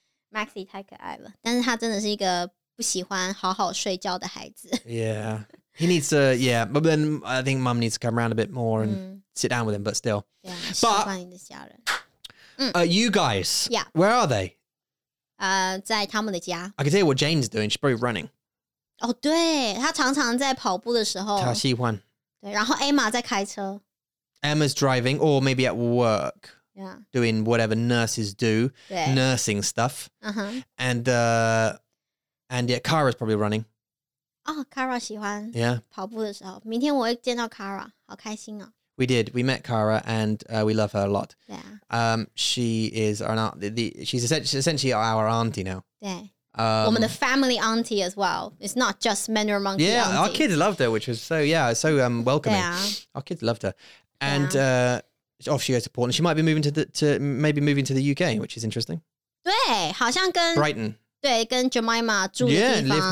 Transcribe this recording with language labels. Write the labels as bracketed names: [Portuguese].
[Chinese] Maxi 太可爱了，但是他真的是一个不喜欢好好睡觉的孩子。 [English] Yeah, he needs to. Yeah, but then I think mum needs to come around a bit more and sit down with him. But still, yeah. [Chinese] But 喜欢你的家人。You [English] guys, yeah, where are they? [Chinese] 在他们的家。 [English] I can tell you what Jane's doing. She's probably running. [Chinese] 哦，对，她常常在跑步的时候。她喜欢。对，然后 Emma 在开车。 [English] Emma's driving, or maybe at work. Yeah. Doing whatever nurses do, nursing stuff. Uh-huh. And yeah, Kara's probably running. [Chinese] Oh, Kara 喜欢. [English] Yeah. [Chinese] 跑步的时候, 明天我会见到 Kara, 好开心哦. [English] We did. We met Kara and we love her a lot. Yeah. She is our aunt, she's essentially our auntie now. Yeah. Woman, the family auntie as well. It's not just men or monkeys. Yeah, auntie. Our kids loved her, which was so, yeah, so welcoming. Yeah. Our kids loved her. And, off she goes to Portland. She might be moving to the UK, which is interesting. [Chinese] 对，好像跟 [English] Brighton. [Chinese] 对，跟 Jemima 住的地方。 [English] Yeah,